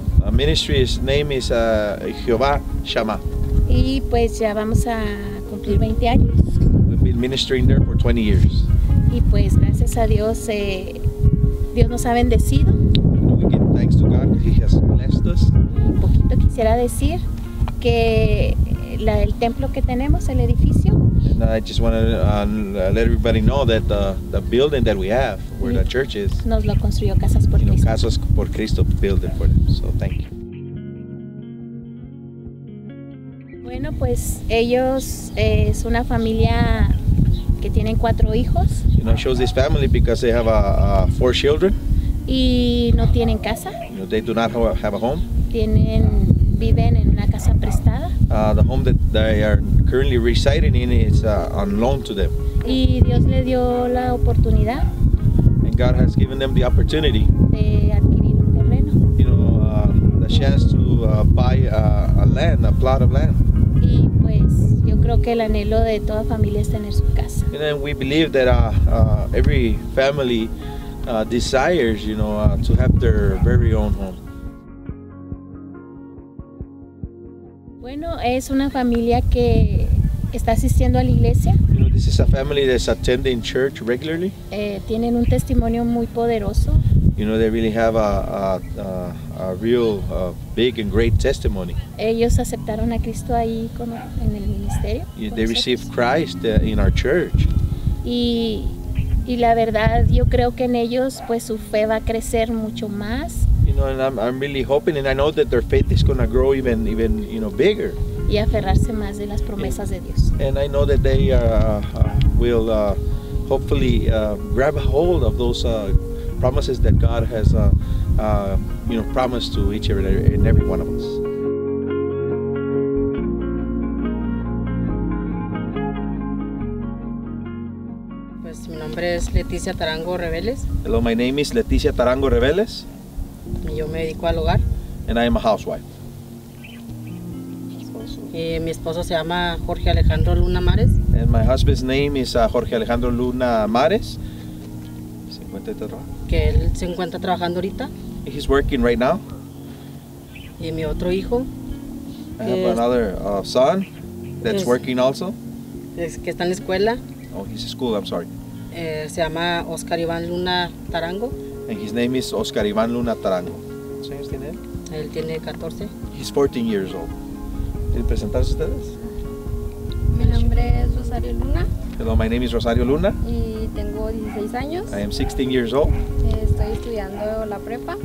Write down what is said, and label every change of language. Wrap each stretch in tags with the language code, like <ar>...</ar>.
<en>Ministry's name is Jehová Shama.</en> <es>Y pues ya vamos a cumplir 20 años.</es> <en>We've been ministering there for 20 years.</en> <es>Y pues gracias a Dios, Dios nos ha bendecido.</es> <en>We give thanks to God, He has blessed us.</en> <es>Un poquito quisiera decir que el templo que tenemos, el edificio.</es> <en>And I just want to let everybody know that the building that we have, where the church is,</en> <es>nos lo construyó Casas por Cristo.</es> <en>Casas por Cristo built it for them. So thank you.</en> <es>Bueno, pues ellos es una familia que tienen 4 hijos.</es> <en>You know, it shows this family because they have 4 children.</en> <es>Y no tienen casa.</es> <en>You know, they do not have a home.</en> <es>Viven en una casa prestada.</es> <en>The home that they are currently residing in is on loan to them.</en> <es>Y Dios le dio la oportunidad.</es> <en>And God has given them the opportunity.</en> <es>De adquirir un terreno.</es> <en>You know, the chance to buy a plot of land.</en> <es>Y pues, yo creo que el anhelo de toda familia es tener su casa.</es> <en>And then we believe that every family desires, you know, to have their very own home.</en> <es>Bueno, es una familia que está asistiendo a la iglesia.</es> <en>You know, this is a family that's attending church regularly.</en> <es>Tienen un testimonio muy poderoso.</es> <en>You know, they really have a real big and great testimony.</en> <es>Ellos aceptaron a Cristo ahí en el ministerio.</es> <en>They received Christ in our church.</en> <es>Y la verdad, yo creo que en ellos, pues su fe va a crecer mucho más.</es> <en>You know, and I'm really hoping, and I know that their faith is going to grow even you know, bigger.</en> <es>Y aferrarse más de las promesas de Dios.</es> <en>And I know that they will hopefully grab a hold of those promises that God has you know, promised to each and every one of us.</en> <es>Pues mi nombre es Leticia Tarango Reveles.</es> <en>Hello, my name is Leticia Tarango Reveles.</en> <es>Yo me dedico al hogar.</es> <en>And I am a housewife.</en> <es>Mi esposo se llama Jorge Alejandro Luna Mares.</es> <en>And my husband's name is Jorge Alejandro Luna Mares.</en> <es>¿Se encuentra trabajando? Que él se encuentra trabajando ahorita.</es> <en>He's working right now.</en> <es>Y mi otro hijo.</es> <en>I have another son that's working also.</en> <es>Es que está en la escuela.</es> <en>Oh, he's in school, I'm sorry.</en> <es>Se llama Oscar Iván Luna Tarango.</es> <en>And his name is Oscar Iván Luna Tarango.</en> <es>¿Cuántos años tiene él? Él tiene 14.</es> <en>He's 14 years old.</en> <es>¿Quieren presentarse ustedes? Mi nombre es Rosario Luna.</es> <en>Hello, my name is Rosario Luna.</en> <es>Y tengo 16 años.</es> <en>I am 16 years old.</en> <es>Estoy estudiando la prepa.</es>